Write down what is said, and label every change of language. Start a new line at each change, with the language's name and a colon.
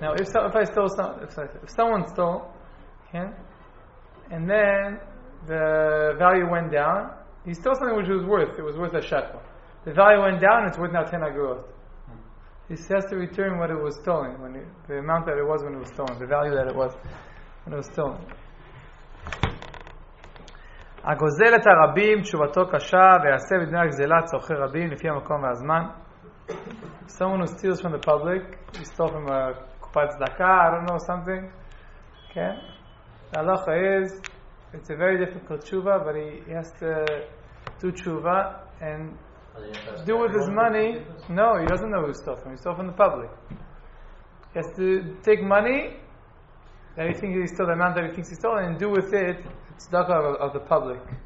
English: Now, if someone stole, okay, and then the value went down, he stole something which was worth. It was worth a shekel. The value went down. It's worth now 10 agorot. He has to return what it was stolen, the amount that it was when it was stolen, the value that it was when it was stolen.
Hebrew: הגוזל את הרבים תשובתו קשה ויעשה בדמי הגזלה צורכי רבים לפי המקום והזמן.
English: Someone who steals from the public, he stole from a קופת צדקה, I don't know, something. Okay. The halacha is, it's a very difficult תשובה, but he has to do תשובה and do with his money. No, he doesn't know who he stole from. He stole from the public. He has to take money that he thinks he stole, the amount that he thinks he stole, and do with it tzedakah of the public.